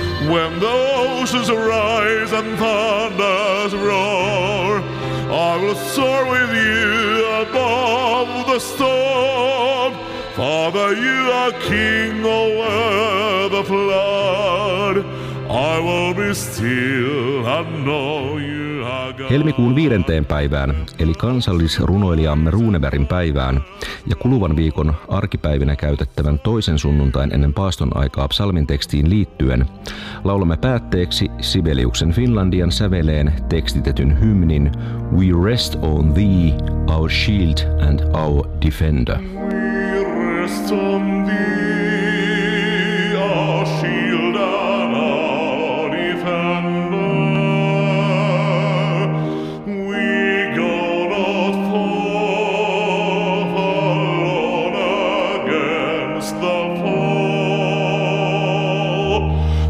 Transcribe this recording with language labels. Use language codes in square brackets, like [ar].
[en] When the oceans rise and thunders roar, I will soar with you above the storm. Father, you are king over the flood. I will be still and know you are God. [fi] Helmikuun 5. päivään, eli kansallisrunoilijamme Runebergin päivään, ja kuluvan viikon arkipäivinä käytettävän toisen sunnuntain ennen paaston aikaa psalmin tekstiin liittyen, laulamme päätteeksi Sibeliuksen Finlandian säveleen tekstitetyn hymnin [en] We rest on thee, our shield and our defender. We rest on thee, our shield and our defender. We go not forth alone against the foe.